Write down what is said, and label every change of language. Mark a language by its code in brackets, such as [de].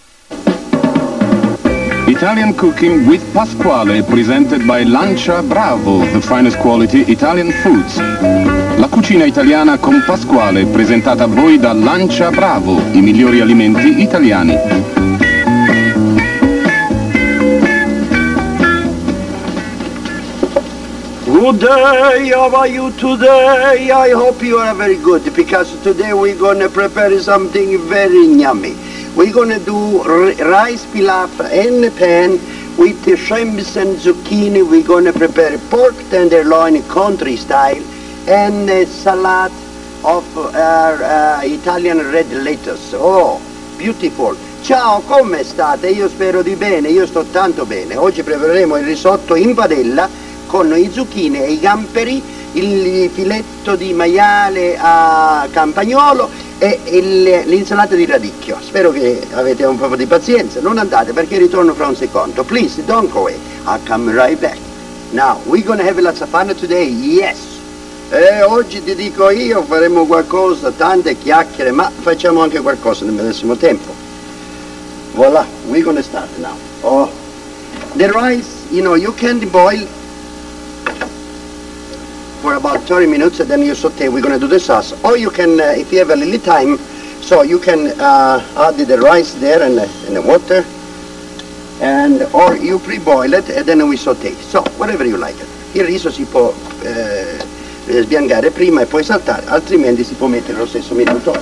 [en] Italian Cooking with Pasquale, presented by Lancia Bravo, the finest quality Italian foods. [it] La Cucina Italiana con Pasquale, presentata a voi da Lancia Bravo, i migliori alimenti italiani. [en] Good day, how are you today? I hope you are very good, because today we're gonna prepare something very yummy. We're gonna do rice pilaf in a pan with the shrimps and zucchini. We're gonna prepare pork tenderloin country style and a salad of Italian red lettuce. Oh, beautiful. [it] Ciao, come state? Io spero di bene, io sto tanto bene. Oggi prepareremo il risotto in padella con i zucchini e i gamberi, il filetto di maiale a campagnolo e l'insalata di radicchio. Spero che avete un po' di pazienza. Non andate, perché ritorno fra un secondo. [en] Please, don't go away. I'll come right back. Now, we're gonna have lots of fun today, yes. [it] E oggi ti dico io, faremo qualcosa, tante chiacchiere, ma facciamo anche qualcosa nel medesimo tempo. [en] Voilà, we're gonna start now. Oh, the rice, you know, you can boil for about 30 minutes and then you saute. We're gonna do the sauce. Or you can, if you have a little time, so you can add the rice there and in the water, and or you pre-boil it and then we saute. So, whatever you like. [it] Il riso si può sbiancare prima e poi saltare, altrimenti si può mettere lo stesso minuto.